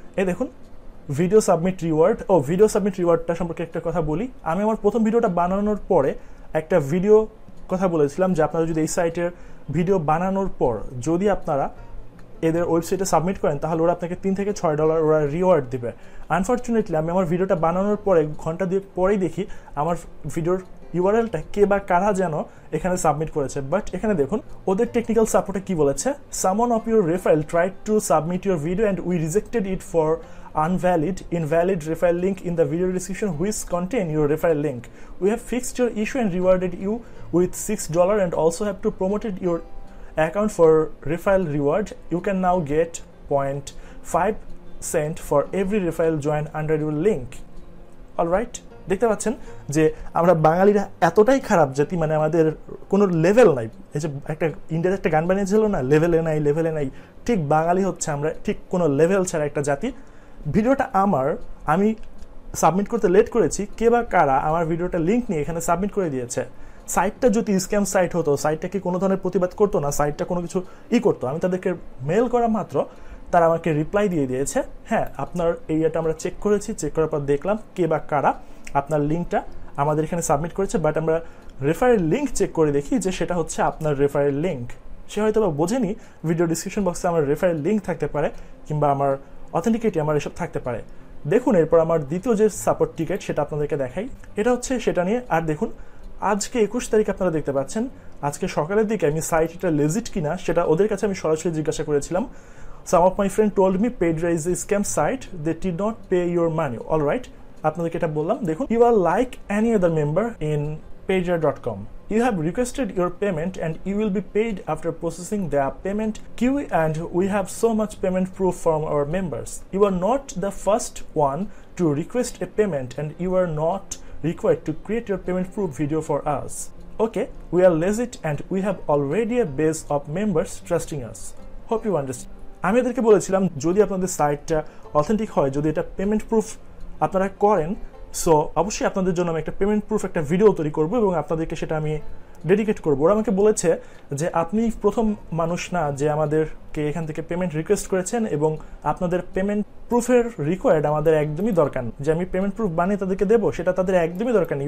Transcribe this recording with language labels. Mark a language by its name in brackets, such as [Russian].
[Bangla] এই দেখুন video submit reward, ও video submit রিওয়ার্ডটা সম্পর্কে একটা কথা বলি, আমি আমার প্রথম ভিডিওটা বানানোর পরে একটা ভিডিও কথা বলেছিলাম যে আপনারা যদি এই সাইটের ভিডিও বানানোর পর যদি আপনারা এদের ওয়েবসাইটে সাবমিট করেন তাহলে ওরা আপনাকে $3-6 ওরা রিওয়ার্ড দেবে। আনফর্চুনেটলি আমি আমার ভিডিওটা বানানোর পরে ঘন্টা দুয়েক পরেই দেখি আমার ভিডিওর ইউআরএলটা কে বা কারা যেন এখানে সাবমিট করেছে, বাট এখানে দেখুন ওদের টেকনিক্যাল সাপোর্টে কি বলেছে, [English] Someone of your referral tried to submit your video and we rejected it for unvalid invalid referral link in the video description which contain your referral link. We have fixed your issue and rewarded you with $6 and also have to promoted your account for referral reward. You can now get 0.5 cent for every referral join under your link. [Bangla] All right, দেখতে পাচ্ছেন যে আমরা বাঙালিরা এতটাই খারাপ জাতি, মানে আমাদের কোনো লেভেল নাই। এই যে একটা ইন্ডিয়াতে একটা গান বানিয়েছিল না, লেভেলে নাই, ঠিক বাঙালি হচ্ছে আমরা, ঠিক কোনো লেভেল ছাড়া একটা জাতি। ভিডিওটা আমার, আমি সাবমিট করতে লেট করেছি, কে বা কারা আমার ভিডিওটা লিঙ্ক নিয়ে এখানে সাবমিট করে দিয়েছে। সাইটটা যদি স্ক্যাম সাইট হতো, সাইটটা কি কোনো ধরনের প্রতিবাদ করতো না, সাইটটা কোনো কিছু ই করতো, আমি তাদেরকে মেল করা মাত্র তারা আমাকে রিপ্লাই দিয়ে দিয়েছে, হ্যাঁ আপনার এরিয়াটা আমরা চেক করেছি, চেক করার পর দেখলাম কে বা কারা আপনার লিঙ্কটা আমাদের এখানে সাবমিট করেছে, বাট আমরা রেফারেল লিঙ্ক চেক করে দেখি যে সেটা হচ্ছে আপনার রেফারেল লিঙ্ক। সে হয়তো বা বোঝেনি, ভিডিও ডিসক্রিপশন বক্সে আমার রেফারেল লিঙ্ক থাকতে পারে কিংবা আমার অথেন্টিকেটি আমার এসব থাকতে পারে। দেখুন এরপর আমার দ্বিতীয় যে সাপোর্ট টিকিট সেটা আপনাদেরকে দেখাই, এটা হচ্ছে সেটা নিয়ে। আর দেখুন আজকে 21 তারিখ, আপনারা দেখতে পাচ্ছেন আজকে সকালের দিকে আমি সাইট এটা লেজিট কিনা সেটা ওদের কাছে আমি সরাসরি জিজ্ঞাসা করেছিলাম। [English] Some of my friend told me Paidera is a scam site, they did not pay your money. [Bangla] All right, আপনাদেরকে এটা বললাম। [English] দেখুন, you are like any other member in paidera.com, you have requested your payment and you will be paid after processing their payment queue, and we have so much payment proof from our members. You are not the first one to request a payment and you are not required to create your payment proof video for us. Okay, we are legit and we have already a base of members trusting us. Hope you understand. [Bangla] আমি এদেরকে বলেছিলাম যদি আপনাদের সাইটটা authentic হয়, যদি এটা payment proof আপনারা করেন, সো অবশ্যই আপনাদের জন্য আমি একটা পেমেন্ট প্রুফ একটা ভিডিও তৈরি করবো এবং আপনাদেরকে সেটা আমি ডেডিকেট করবো। ওরা আমাকে বলেছে যে আপনি প্রথম মানুষ না যে আমাদেরকে এখান থেকে পেমেন্ট রিকোয়েস্ট করেছেন, এবং আপনাদের পেমেন্ট প্রুফের রিকোয়ার্ড আমাদের একদমই দরকার, যে আমি পেমেন্ট প্রুফ বানিয়ে তাদেরকে দেবো সেটা তাদের একদমই দরকার।